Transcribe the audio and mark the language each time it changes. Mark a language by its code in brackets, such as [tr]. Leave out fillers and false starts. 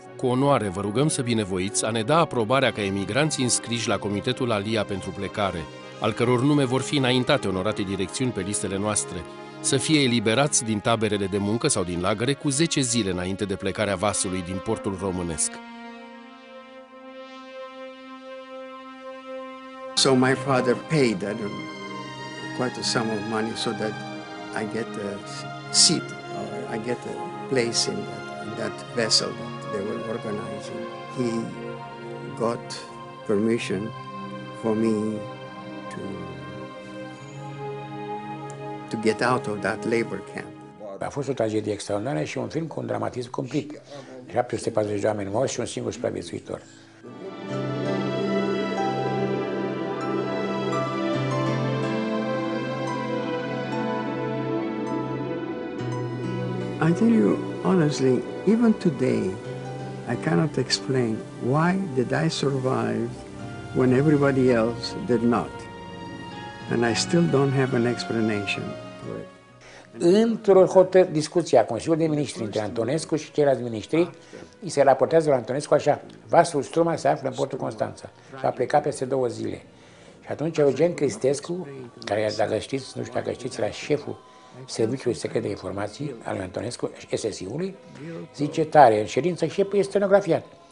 [ro] Cu onoare vă rugăm să binevoiți a ne da aprobarea ca emigranții înscriși la Comitetul Alia pentru Plecare, al căror nume vor fi înaintate onorate direcțiuni pe listele noastre, să fie eliberați din taberele de muncă sau din lagăre cu 10 zile înainte de plecarea vasului din portul românesc. [en] So my father paid, I don't know, quite a sum of money so that I get a seat, or I get a place in that vessel that they were organizing. He got permission for me to get out of that labor camp. [ro] A fost o tragedie extraordinară și un film cu un dramatism complet. 740 de oameni morți și un singur supraviețuitor. [en] I tell you honestly, even today, I cannot explain why did I survive when everybody else did not. And I still don't have an explanation for it. [ro] Într-o discuție a Consiliului de Ministri între Antonescu și ceilalți ministri, îi se raportează la Antonescu așa, vasul Struma se află în portul Constanța și a plecat peste două zile. Și atunci Eugen Cristescu, care, dacă știți, nu știu dacă știți, era șeful Serviciul Secret de Informații al lui Antonescu, SSI-ului, zice tare, în ședință și e stenografiat.